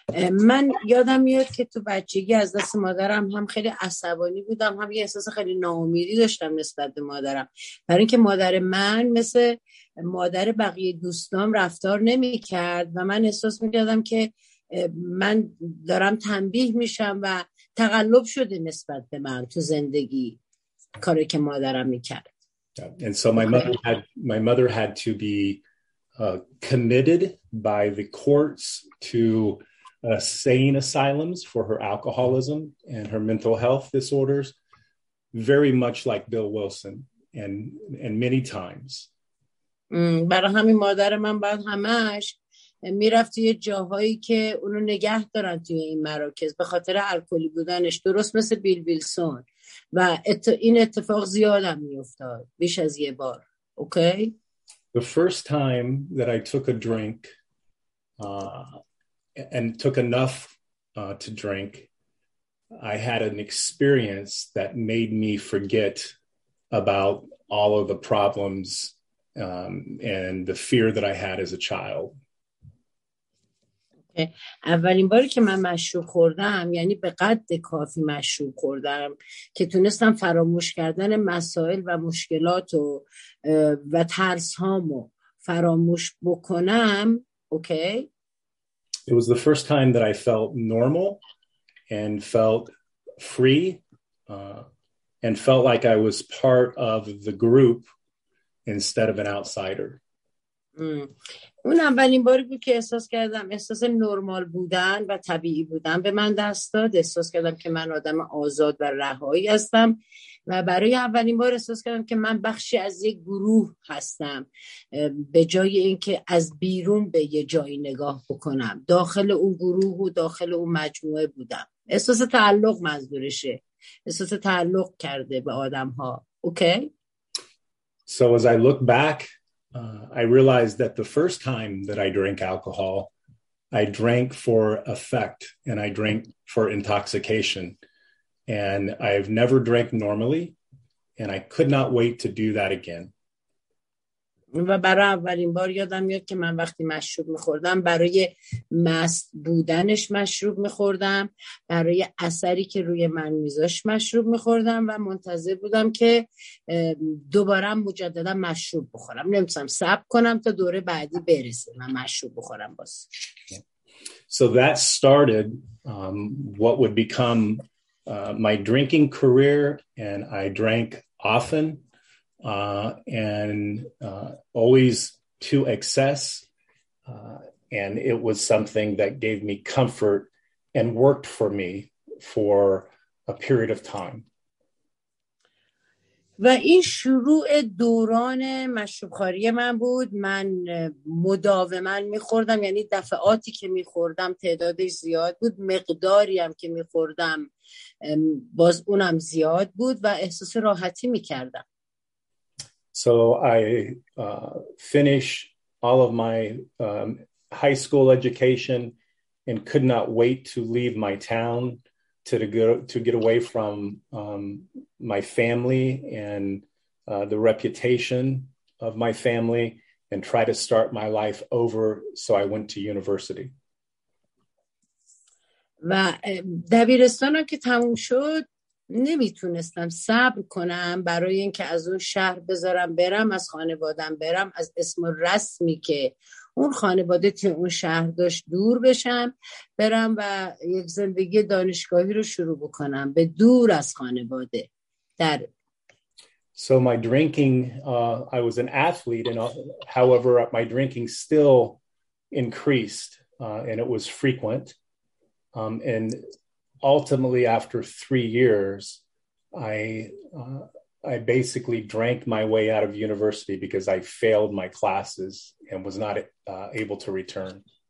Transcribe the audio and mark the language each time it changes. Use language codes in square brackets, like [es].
[fa] من یادم میاد که تو بچگی از دست مادرم هم خیلی عصبانی بودم، هم یه احساس خیلی ناامیدی داشتم نسبت به مادرم، برای اینکه مادر من مثل مادر بقیه دوستام رفتار نمی کرد و من احساس می کردم که من دارم تنبیه میشم و تقلب شده نسبت به من تو زندگی کاری که مادرم میکرد. [en] And so my mother had to be committed by the courts to sane asylums for her alcoholism and her mental health disorders, very much like Bill Wilson and many times. [fa] برای همین مادر من بعد همش میرفت توی جاهایی که اونو نگه دارن توی این مراکز به خاطر الکلی بودنش، درست مثل بیل ویلسون، و این اتفاق زیاد هم میافتاد، بیش از یه بار. [en] Okay. The first time that I took a drink and took enough to drink, I had an experience that made me forget about all of the problems and the fear that I had as a child. [fa] اولین باری که من مشروب خوردم، یعنی به قد کافی مشروب خوردم که تونستم فراموش کردن مسائل و مشکلات و ترس هامو فراموش بکنم. [en] Okay. It was the first time that I felt normal and felt free and felt like I was part of the group instead of an outsider. [fa] اون اولین باری بود که احساس کردم احساس نرمال بودن و طبیعی بودن به من دست داد. احساس کردم که من آدم آزاد و رهایی هستم و برای اولین بار احساس کردم که من بخشی از یک گروه هستم، به جای اینکه از بیرون به یه جایی نگاه بکنم، داخل اون گروه و داخل اون مجموعه بودم. احساس تعلق منظورشه، احساس تعلق کرده به آدم ها. [en] Okay. So as I look back, I realized that the first time that I drank alcohol, I drank for effect and I drank for intoxication. And I've never drank normally, and I could not wait to do that again. [fa] و برای اولین بار یادم میاد که من وقتی مشروب میخوردم، برای مست بودنش مشروب میخوردم، برای اثری که روی من میذاشت مشروب میخوردم و منتظر بودم که دوباره مجددا مشروب بخورم، نمیتونم صبر کنم تا دوره بعدی برسه من مشروب بخورم باز. [en] So that started what would become my drinking career, and I drank often and always to excess, and it was something that gave me comfort and worked for me for a period of time. [fa] و این شروع دوران مشروبخوری من بود. من مداوما می‌خوردم، یعنی دفعاتی که می‌خوردم تعدادش زیاد بود، مقداری هم که می‌خوردم باز اونم زیاد بود و احساس راحتی می‌کردم. [en] So I finish all of my high school education and could not wait to leave my town to get away from my family and the reputation of my family and try to start my life over. So I went to university. [fa] و دبیرستان که تموم شد، نمیتونستم صبر کنم برای اینکه از اون شهر بذارم برم، از خانوادم برم، از اسم و رسمی که اون خانواده توی اون شهر داشت دور بشم، برم و یک زندگی دانشگاهی رو شروع بکنم به دور از خانواده. در [en] So my drinking I was an athlete and however my drinking still increased and it was frequent and ultimately, after 3 years, I basically drank my way out of university because I failed my classes and was not able to return.